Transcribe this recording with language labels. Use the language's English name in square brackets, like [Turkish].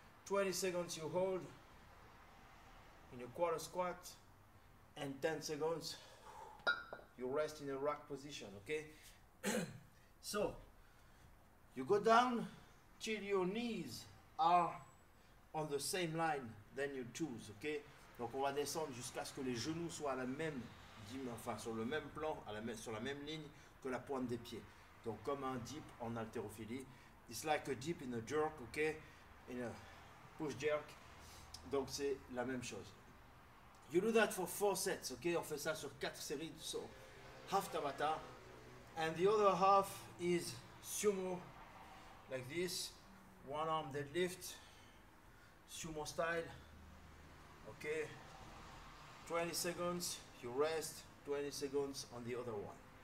[English] 20 seconds you hold in a quarter squat and 10 seconds you rest in a rack position, okay? So you go down till your knees are on the same line, then you choose, okay? [French] Donc on va descendre jusqu'à ce que les genoux soient à la même, enfin sur le même plan, sur la même ligne que la pointe des pieds. Donc comme un dip en haltérophilie. [English] It's like a dip in a jerk, okay? In a push jerk, [French] donc c'est la même chose. [English] You do that for 4 sets, ok, [French] on fait ça sur 4 séries, [English] so half Tabata, and the other half is sumo, like this, one arm deadlift, sumo style, ok, 20 seconds, you rest, 20 seconds on the other one.